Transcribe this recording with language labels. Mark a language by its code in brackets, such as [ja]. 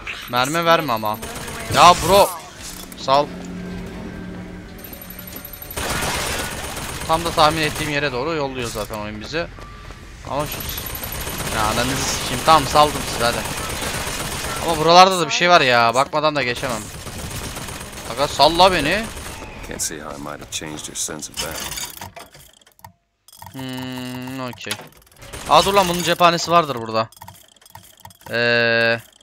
[tr] Mermi verme ama. Ya bro, sağ ol. tam da tahmin ettiğim yere doğru yolluyor zaten oyun bizi. Ama şu ya ananızı sikeyim. Tamam saldım sizi hadi. Ama buralarda da bir şey var ya. Bakmadan da geçemem. Aga salla beni. [en] Can't see how I might have changed your sense of that. Okay. [tr] Aa dur lan bunun cephanesi vardır burada.